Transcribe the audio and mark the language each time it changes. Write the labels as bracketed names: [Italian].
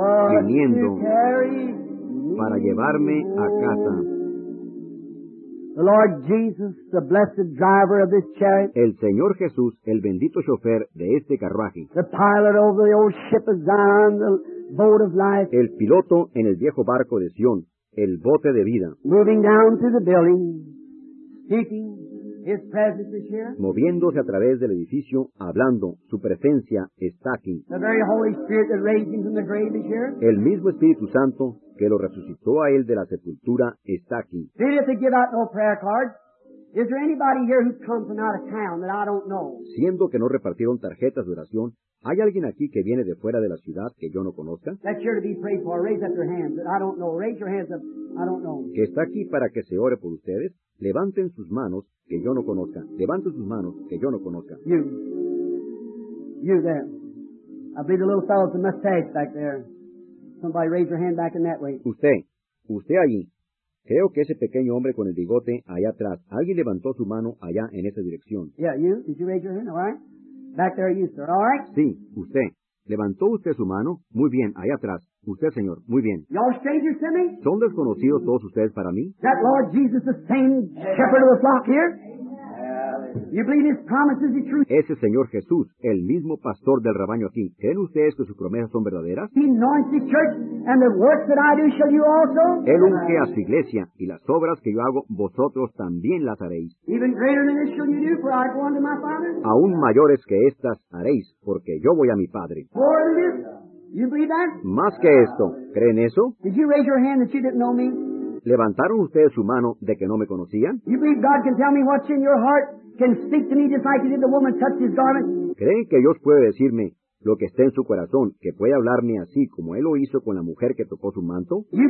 [Spanish] Viniendo para llevarme a casa. [English] The Lord Jesus, the blessed driver of this chariot. [Spanish] El Señor Jesús, el bendito chofer de este carruaje. [English] The pilot over the old ship of Zion, the boat of life. [Spanish] El piloto en el viejo barco de Sion, el bote de vida. [English] Moving down to the building, speaking, his presence is here. [Spanish] Moviéndose a través del edificio, hablando, su presencia está aquí. [English] The very Holy Spirit that raised him from the grave is here. [Spanish] El mismo Espíritu Santo que lo resucitó a él de la sepultura está aquí. [English] They didn't give out no prayer cards. Is there anybody here who comes from out of town that I don't know? [Spanish] Siendo que no repartieron tarjetas de oración, ¿hay alguien aquí que viene de fuera de la ciudad que yo no conozca? [English] That's here to be prayed for. Raise up your hands. I don't know. Raise your hands up. I don't know. [Spanish] ¿Que está aquí para que se ore por ustedes? Levanten sus manos que yo no conozca. Levanten sus manos que yo no conozca. [English] You. You there. I believe the little fellow's a mustache back there. Somebody raise your hand back in that way. [Spanish] Usted allí. Creo que ese pequeño hombre con el bigote allá atrás, alguien levantó su mano allá en esa dirección. [English] Yeah, you? Did you raise your hand? All right. Back there, you, sir. All right. [Spanish] Sí, usted. ¿Levantó usted su mano? Muy bien, allá atrás. Usted, señor, muy bien. [English] Y'all strangers to me? [Spanish] ¿Son desconocidos todos ustedes para mí? [English] That Lord Jesus, the same shepherd of the flock here? You believe his promises are true? [Spanish] Ese Señor Jesús, el mismo pastor del rebaño aquí, ¿creen ustedes que sus promesas son verdaderas? [English] He anoints the church, and the works that I do shall you also. [Spanish] Él unge a su iglesia, y las obras que yo hago, vosotros también las haréis. [English] Even greater than this shall you do, for I go unto my Father. [Spanish] Aún mayores que estas haréis, porque yo voy a mi Padre. [English] More than this? You believe that? [Spanish] Más que esto, ¿creen eso? [English] Did you raise your hand that you didn't know me? [Spanish] ¿Levantaron ustedes su mano de que no me conocían? [English] You believe God can tell me what's in your heart? Can speak to me just like he did the woman touched his garment. [Spanish] ¿Creen que Dios puede decirme lo que esté en su corazón, que puede hablarme así como él lo hizo con la mujer que tocó su manto?